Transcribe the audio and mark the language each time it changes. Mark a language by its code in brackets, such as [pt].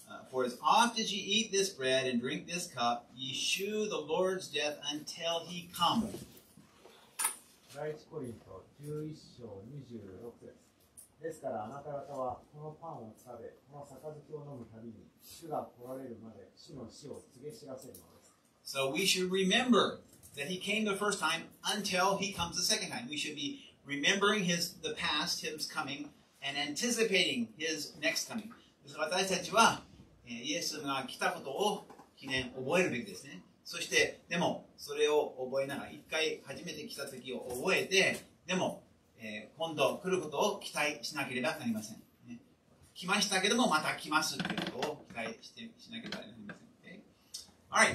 [en] For as oft as ye eat this bread and drink this cup, ye shew the Lord's death until he come. [ja] 第一コリント11章26節。ですからあなた方はこのパンを食べ、この杯を飲むたびに主が来られるまで主の死を告げ知らせるのです。 [en] So we should remember that he came the first time until he comes the second time. We should be remembering his, the past, his coming, and anticipating his next coming. [ja] ですから私たちはイエスが来たことを記念覚えるべきですね。そしてでもそれを覚えながら一回初めて来た時を覚えて、でも今度来ることを期待しなければなりません、ね、来ましたけどもまた来ますということを期待してしなければなりません、okay?